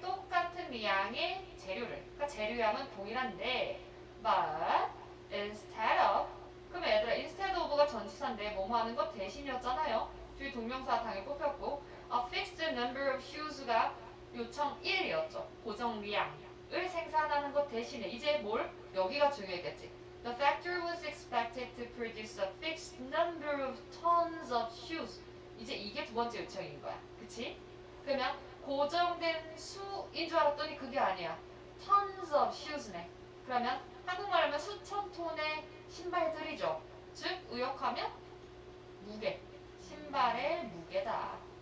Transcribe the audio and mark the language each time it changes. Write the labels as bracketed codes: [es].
[ko] 똑같은 양의 재료를. 그러니까 재료양은 동일한데 [en] but instead of [ko] 그럼 얘들아 instead of가 전치사인데 뭐뭐 하는 거 대신이었잖아요. 뒤에 동명사 당연히 뽑혔고 [en] a fixed number of shoes [ko] 가 요청 1이었죠. 고정량을 생산하는 것 대신에 이제 뭘? 여기가 중요했겠지. [en] The factory was expected to produce a fixed number of tons of shoes. [ko] 이제 이게 두 번째 요청인 거야. 그치? 그러면 고정된 수인 줄 알았더니 그게 아니야. [en] Tons of shoes네. [ko] 그러면 한국말 하면 수천 톤의 신발들이죠. 즉, 의역하면 무게. 신발의 무게다.